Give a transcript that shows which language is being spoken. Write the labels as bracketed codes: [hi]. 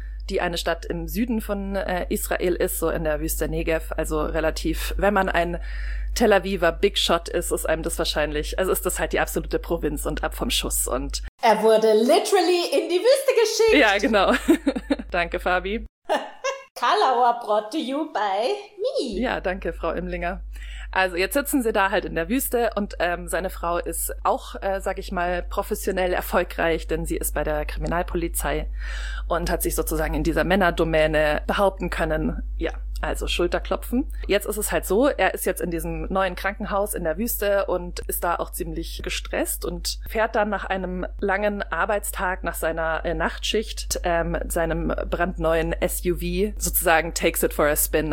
[de] die eine Stadt im Süden von Israel ist, so in der Wüste Negev, also relativ, wenn man ein Tel Aviver Big Shot ist, ist einem das wahrscheinlich, also ist das halt die absolute Provinz und ab vom Schuss und... Er wurde literally in die Wüste geschickt! Ja, genau. Danke, Fabi. [en] Kalauer brought to you by me. [de] Ja, danke, Frau Immlinger. Also jetzt sitzen sie da halt in der Wüste und seine Frau ist auch, sag ich mal, professionell erfolgreich, denn sie ist bei der Kriminalpolizei und hat sich sozusagen in dieser Männerdomäne behaupten können. Ja, also Schulterklopfen. Jetzt ist es halt so, er ist jetzt in diesem neuen Krankenhaus in der Wüste und ist da auch ziemlich gestresst und fährt dann nach einem langen Arbeitstag, nach seiner Nachtschicht, seinem brandneuen SUV, sozusagen [en] takes it for a spin.